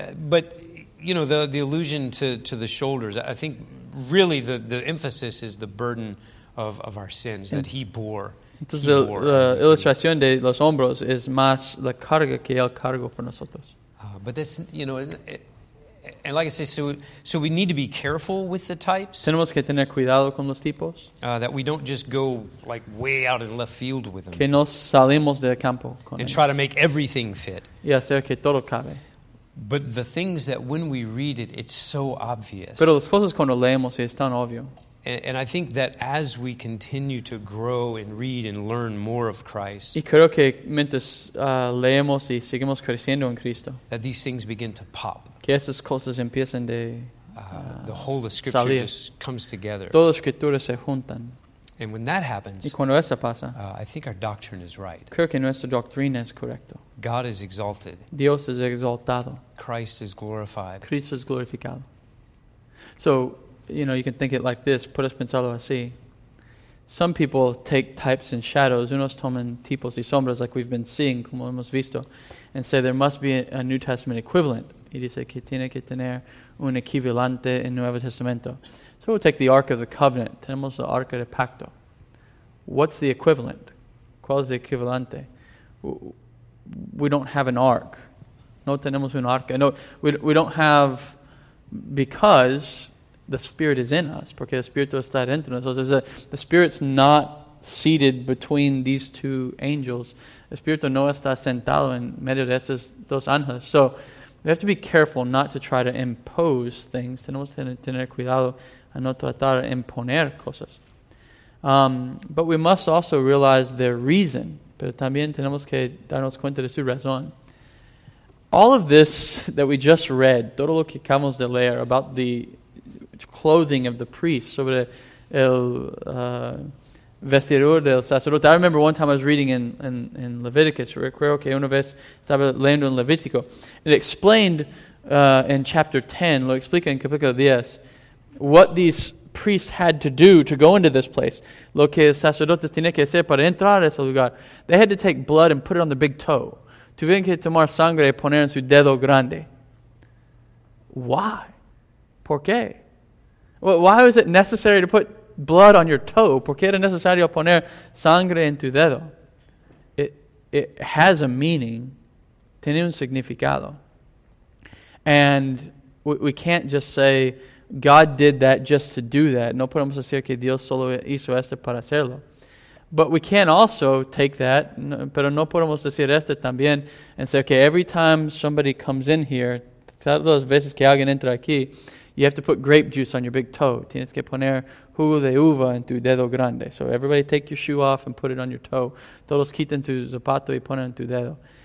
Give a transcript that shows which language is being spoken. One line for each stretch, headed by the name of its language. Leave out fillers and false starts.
English: But you know the allusion to the shoulders. I think really the emphasis is the burden of our sins that he bore.
Spanish: Entonces la ilustración de los hombros es más la carga que él cargó por nosotros.
English: But that's you know. And like I say, so we need to be careful with the types.
Spanish: Tenemos que tener cuidado con los tipos.
English: That we don't just go like way out in left field with them.
Spanish: Que no salimos del campo con
English: and try to make everything fit.
Spanish: Y hacer que todo cabe.
English: But the things that when we read it, it's so obvious.
Spanish: Pero las cosas cuando leemos es tan obvio.
English: And I think that as we continue to grow and read and learn more of Christ,
Spanish: y creo que mientras leemos y seguimos creciendo en Cristo,
English: that these things begin to pop.
Spanish: Que esas cosas empiezan de
English: the whole of Scripture
Spanish: salir.
English: Just comes together.
Spanish: Todas las escrituras se juntan.
English: And when that happens,
Spanish: y cuando eso pasa,
English: I think our doctrine is right.
Spanish: Creo que nuestra doctrina es correcta.
English: God is exalted.
Spanish: Dios es exaltado.
English: Christ is glorified.
Spanish: Cristo es glorificado.
English: So, you know, you can think it like this.
Spanish: Puedes pensarlo así.
English: Some people take types and shadows.
Spanish: Unos toman tipos y sombras
English: like we've been seeing,
Spanish: como hemos visto,
English: and say there must be a New Testament equivalent.
Spanish: Y dice que tiene que tener un equivalente en Nuevo Testamento.
English: So we'll take the Ark of the Covenant.
Spanish: Tenemos el Arca de Pacto.
English: What's the equivalent?
Spanish: ¿Cuál es el equivalente?
English: We don't have an Ark.
Spanish: No tenemos un Arca.
English: No, we don't have, because the Spirit is in us,
Spanish: porque el Espíritu está dentro de nosotros.
English: So the Spirit's not seated between these two angels.
Spanish: El Espíritu no está sentado en medio de estos dos ángeles.
English: So we have to be careful not to try to impose things.
Spanish: Tenemos que tener cuidado a no tratar de imponer cosas.
English: But we must also realize their reason.
Spanish: Pero también tenemos que darnos cuenta de su razón.
English: All of this that we just read,
Spanish: todo lo que acabamos de leer
English: about the clothing of the priest,
Spanish: sobre el vestidor del sacerdote.
English: I remember one time I was reading in Leviticus.
Spanish: Recuerdo que una vez estaba leyendo en Levítico.
English: It explained in chapter 10,
Spanish: lo explica en capítulo 10,
English: what these priests had to do to go into this place.
Spanish: Lo que el sacerdote tenía que hacer para entrar a ese lugar.
English: They had to take blood and put it on the big toe.
Spanish: Tuvieron que tomar sangre y poner en su dedo grande.
English: Why?
Spanish: ¿Por qué?
English: Why was it necessary to put blood on your toe?
Spanish: ¿Por qué era necesario poner sangre en tu dedo?
English: It has a meaning.
Spanish: tiene un significado.
English: And we can't just say God did that just to do that.
Spanish: No podemos decir que Dios solo hizo esto para hacerlo.
English: But we can also take that,
Spanish: pero no podemos decir esto también,
English: and say, okay, every time somebody comes in here,
Spanish: todas las veces que alguien entra aquí,
English: you have to put grape juice on your big toe.
Spanish: Tienes que poner jugo de uva en tu dedo grande.
English: So everybody take your shoe off and put it on your toe.
Spanish: Todos quiten su zapato y ponen en tu dedo.